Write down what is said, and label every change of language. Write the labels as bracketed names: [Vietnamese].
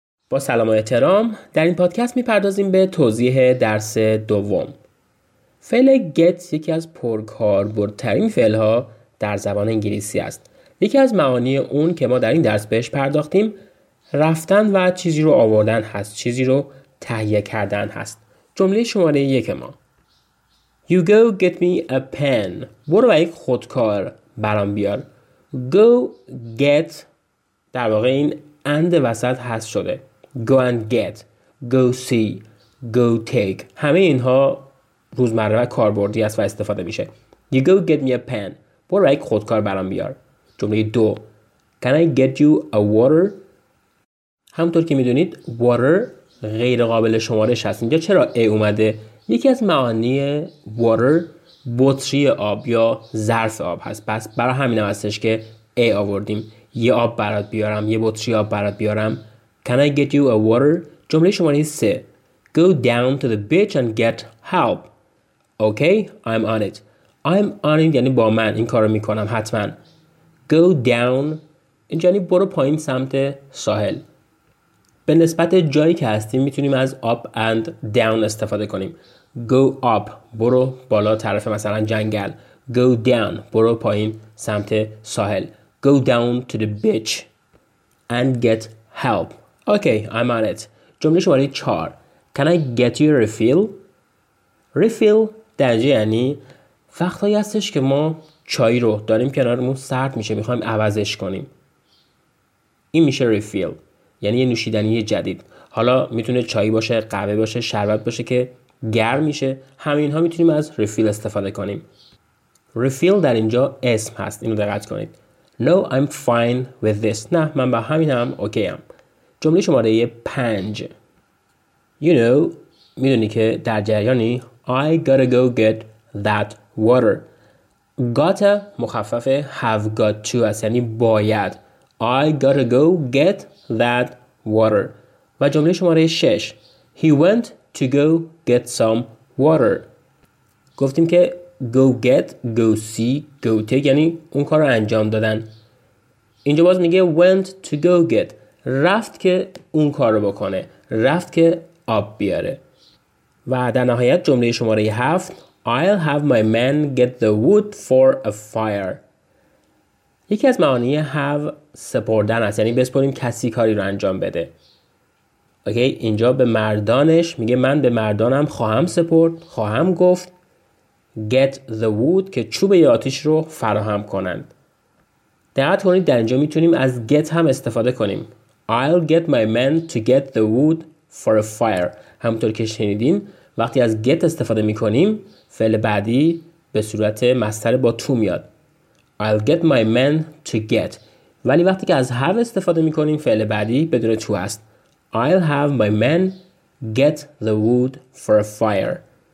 [Persian] با سلام و احترام، در این پادکست می پردازیم به توضیح درس دوم. فعل get یکی از پرکاربردترین فعلها در زبان انگلیسی است. یکی از معانی اون که ما در این درس بهش پرداختیم رفتن و چیزی رو آوردن هست، چیزی رو تهیه کردن هست. جمله شماره یک ما: [English] You go get me a pen. [Persian] برو و یک خودکار برام بیار. Go get در واقع این and وسط هست شده. [English] Go and get. Go see. Go take. [Persian] همه اینها روزمره و کاربردی است و استفاده میشه. [English] You go get me a pen. [Persian] برو و یک خودکار برام بیار. جمله دو: [English] Can I get you a water? [Persian] همونطور که میدونید water غیر قابل شمارش هست. اینجا چرا ای اومده؟ یکی از معانی water بطری آب یا ظرف آب هست. پس برای همین هم هستش که ای آوردیم. یه آب برات بیارم، یه بطری آب برات بیارم. [English] Can I get you a water؟ [Persian] جمله شماره سه: [English] Go down to the beach and get help. Okay, I'm on it. I'm on it [Persian] یعنی با من این کار رو میکنم حتما. Go down اینجا یعنی برو پایین سمت ساحل. به نسبت جایی که هستیم میتونیم از up and down استفاده کنیم. Go up برو بالا طرف مثلا جنگل. Go down برو پایین سمت ساحل. [English] Go down to the beach and get help. Okay, I'm on it. [Persian] جمله شماره 4: [English] Can I get you a refill? [Persian] Refill در اینجا یعنی وقتایی هستش که ما چای رو داریم کنارمون سرد میشه، میخوایم عوضش کنیم. این میشه refill، یعنی یه نوشیدنی جدید. حالا میتونه چای باشه، قهوه باشه، شربت باشه که گرم میشه. همین ها میتونیم از refill استفاده کنیم. Refill در اینجا اسم هست، اینو دقت کنید. [English] No, I'm fine with this. [Persian] نه، من با همین هم اوکی هم. جمله شماره 5: [English] You know، [Persian] میدونی که در جریانی. [English] I gotta go get that water. [Persian] Got مخفف have got to است، یعنی باید. [English] I gotta go get that water. [Persian] و جمله شماره 6: [English] He went to go get some water. [Persian] گفتیم که go get، go see، go take یعنی اون کار رو انجام دادن. اینجا باز میگه went to go get، رفت که اون کار رو بکنه، رفت که آب بیاره. و در نهایت جمله شماره 7: [English] I'll have my men get the wood for a fire. [Persian] یکی از معانی have سپردن است، یعنی بسپریم کسی کاری رو انجام بده. اوکی، اینجا به مردانش میگه من به مردانم خواهم سپرد، خواهم گفت [English] get the wood [Persian] که چوب یا آتش رو فراهم کنند. دقت کنید در اینجا میتونیم از get هم استفاده کنیم. [English] I'll get my men to get the wood for a fire. [Persian] همونطور که شنیدین وقتی از get استفاده میکنیم فعل بعدی به صورت مصدر با to میاد. [English] I'll get my men to get. [Persian] ولی وقتی که از have استفاده میکنیم فعل بعدی بدون to است. [English] I'll have my men get the wood for a fire.